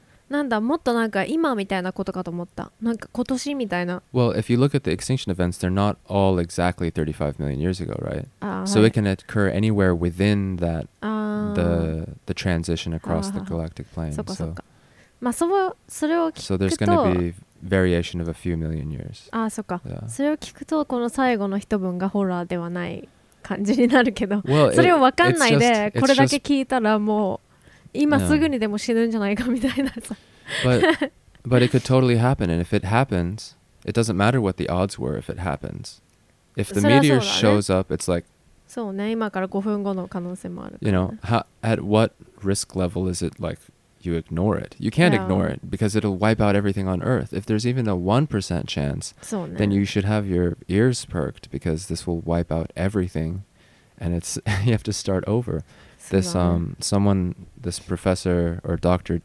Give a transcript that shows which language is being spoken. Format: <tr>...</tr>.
<ja>なんだ、もっとなんか今みたいなことかと思った。なんか今年みたいな。</ja> <en>Well, if you look at the extinction events, they're not all exactly 35 million years ago, right?</en> <ja>あ、はい、</ja> <en>so it can occur anywhere within that the transition across the galactic plane.</en> <ja>そこそこ。まあ、それを聞くと、</ja> <en>so there's going to be variation of a few million years.</en> <ja>ああ、そっか。それを聞くと、この最後の一文がホラーではない感じになるけど、</ja> <en>well,</en> <ja>それを分かんないで、</ja> <en>just,</en> <ja>これだけ聞いたらもう今すぐにでも死ぬんじゃないかみたいなさ。</ja> <en>But it could totally happen, and if it happens, it doesn't matter what the odds were if it happens. If the meteor shows up, it's like,</en> <ja>そうね、今から5分後の可能性もあるから。</ja> <en>You know, at what risk level is it like? You ignore it. You can't ignore it because it'll wipe out everything on Earth. If there's even a 1% chance, then you should have your ears perked because this will wipe out everything and it's, you have to start over. This professor or Dr.</en>